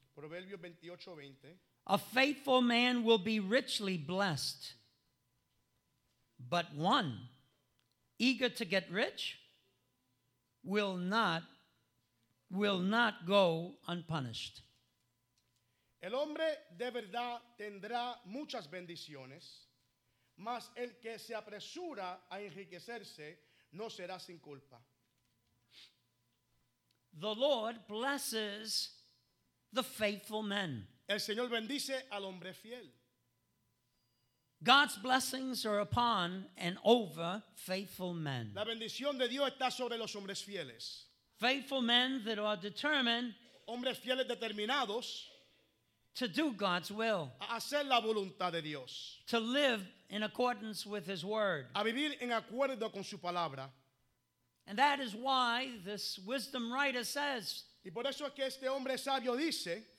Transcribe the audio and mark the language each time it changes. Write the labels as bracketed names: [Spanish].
[Spanish] Proverbio 28:20. [English] A faithful man will be richly blessed, but one eager to get rich will not go unpunished. [Spanish] El hombre de verdad tendrá muchas bendiciones, mas el que se apresura a enriquecerse no será sin culpa. [English] The Lord blesses the faithful men. [Spanish] El Señor bendice al hombre fiel. [English] God's blessings are upon and over faithful men. [Spanish] La bendición de Dios está sobre los hombres fieles. [English] Faithful men that are determined, [Spanish] hombres fieles determinados, [English] to do God's will. [Spanish] A hacer la voluntad de Dios. [English] To live in accordance with His word. [Spanish] A vivir en acuerdo con su palabra. [English] And that is why this wisdom writer says, [Spanish] y por eso es que este hombre sabio dice,